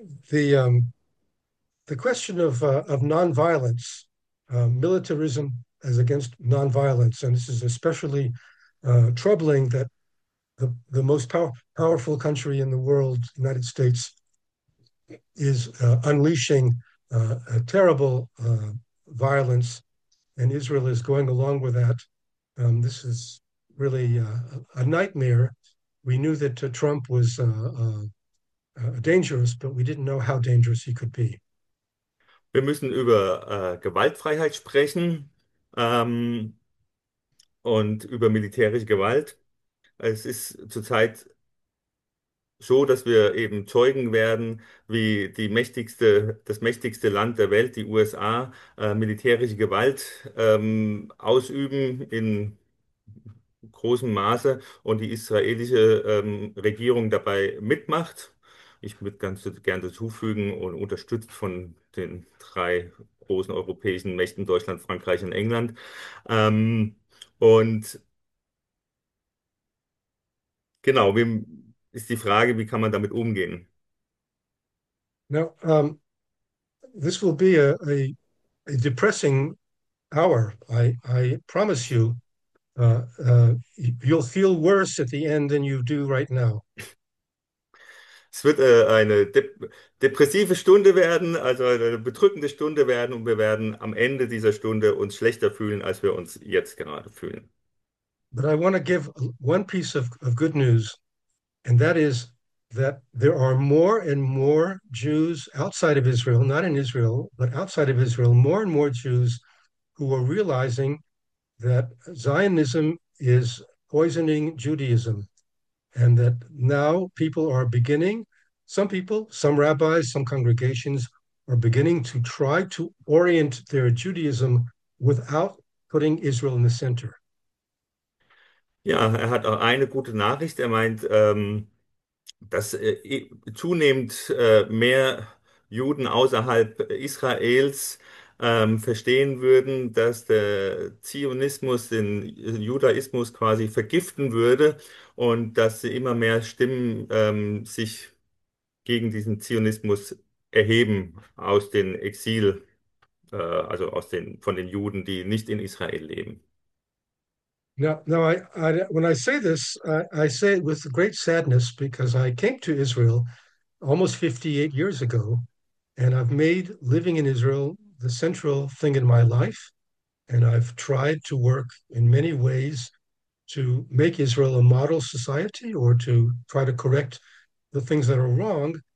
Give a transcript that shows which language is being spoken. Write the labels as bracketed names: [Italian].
[English] The question of nonviolence, militarism as against nonviolence, and this is especially troubling that the most powerful country in the world, United States, is unleashing a terrible violence, and Israel is going along with that. This is really a nightmare. We knew that Trump was dangerous, but we didn't know how dangerous he could be. [German] Wir müssen über Gewaltfreiheit sprechen und über militärische Gewalt. Es ist zurzeit so, dass wir eben Zeugen werden, wie das mächtigste Land der Welt, die USA, militärische Gewalt ausüben in großem Maße und die israelische Regierung dabei mitmacht. Ich würde ganz gerne hinzufügen und unterstützt von den drei großen europäischen Mächten, Deutschland, Frankreich und England. Und genau, wie ist die Frage, wie kann man damit umgehen? [English] Now, this will be a depressing hour. I promise you, you'll feel worse at the end than you do right now. [German] Es wird eine depressive Stunde werden, also eine bedrückende Stunde werden, und wir werden am Ende dieser Stunde uns schlechter fühlen, als wir uns jetzt gerade fühlen. [English] But I want to give one piece of good news, and that is that there are more and more Jews outside of Israel, not in Israel, but outside of Israel, more and more Jews who are realizing that Zionism is poisoning Judaism, and that now people are beginning, some people, some rabbis, some congregations are beginning to try to orient their Judaism without putting Israel in the center. [German] Ja, er hat auch eine gute Nachricht. Er meint, dass zunehmend mehr Juden außerhalb Israels verstehen würden, dass der Zionismus den Judaismus quasi vergiften würde und dass immer mehr Stimmen sich gegen diesen Zionismus erheben aus den Exil, also von den Juden, die nicht in Israel leben. [English] Now, when I say this, I say it with great sadness because I came to Israel almost 58 years ago, and I've made living in Israel the central thing in my life, and I've tried to work in many ways to make Israel a model society or to try to correct the things that are wrong.